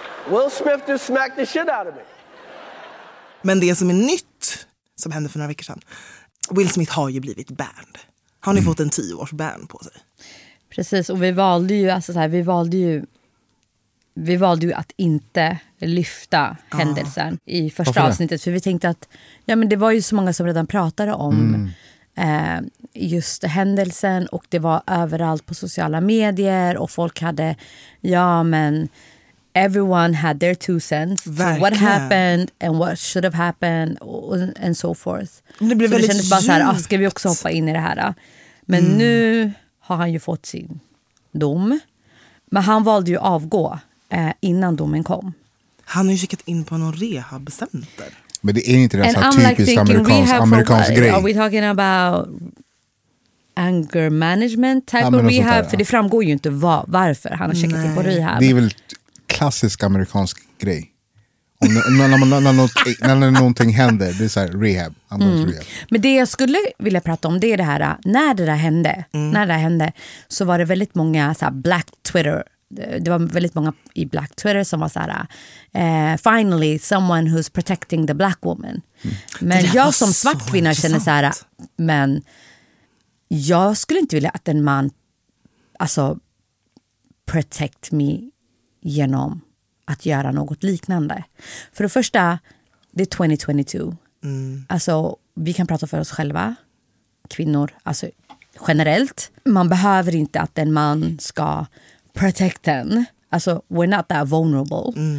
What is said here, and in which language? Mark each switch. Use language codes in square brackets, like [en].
[en] Will Smith just smacked the shit out of me. [sv] Men det som är nytt, som hände för några veckor sedan, Will Smith har ju blivit banned. Har ni fått en 10-års ban på sig? Precis, och vi valde ju, alltså så här, vi valde ju att inte lyfta händelsen i första avsnittet. För vi tänkte att, ja men det var ju så många som redan pratade om just händelsen, och det var överallt på sociala medier, och folk hade, ja men [en] everyone had their two cents. [sv] Verkligen. [en] What happened and what should have happened and so forth. [sv] Det blev så väldigt, det kändes bara så här, ska vi också hoppa in i det här då? Men nu har han ju fått sin dom, men han valde ju avgå innan domen kom. Han har ju kikat in på någon rehabcenter. Men det är inte det så typiskt amerikansk grej. [en] Are we talking about anger management type of rehab? [sv] För det framgår ju inte varför han har checkat in på rehab. Det är väl klassisk amerikansk grej. När någonting händer, det är så här rehab. Men det jag skulle vilja prata om, det är det här, när det där hände, så var det väldigt många så här, black Twitter. Det var väldigt många i Black Twitter som var så här, [en] finally someone who's protecting the black woman. [sv] Men jag som svart kvinna känner så här, men jag skulle inte vilja att en man, alltså, [en] protect me [sv] genom att göra något liknande. För det första, det är 2022. Alltså, vi kan prata för oss själva, kvinnor, alltså generellt. Man behöver inte att en man ska [en] protect them. Alltså, we're not that vulnerable.